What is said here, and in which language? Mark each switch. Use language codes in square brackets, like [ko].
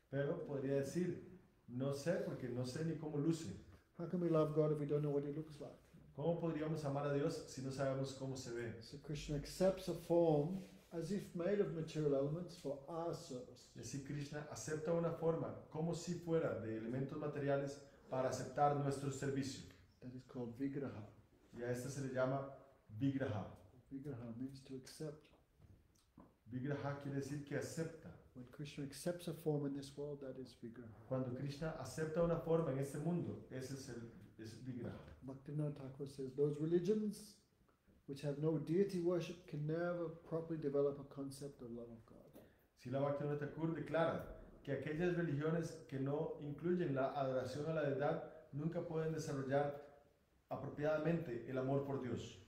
[es] Pero podría decir, no sé porque no sé ni cómo luce. [en] How can we love God if we don't know what he looks like? [es] ¿Cómo podríamos amar a Dios si no sabemos cómo se ve? [en] So Krishna accepts a form as if made of material elements for our service. [es] Y así Krishna acepta una forma como si fuera de elementos materiales para aceptar nuestro servicio. [en] That is called vigraha. [es] Y a esto se le llama vigraha. [en] Vigraha means to accept. [es] Vigraha quiere decir que acepta. [en] When Krishna accepts a form in this world, that is vigraha. [es] Cuando Krishna acepta una forma en este mundo, ese es es vigraha. [en] Bhaktivinoda Thakur says, those religions which have no deity worship can never properly develop a concept of love of God. [es] Srila Bhaktivinoda Thakur declara que aquellas religiones que no incluyen la adoración a la deidad nunca pueden desarrollar apropiadamente el amor por Dios.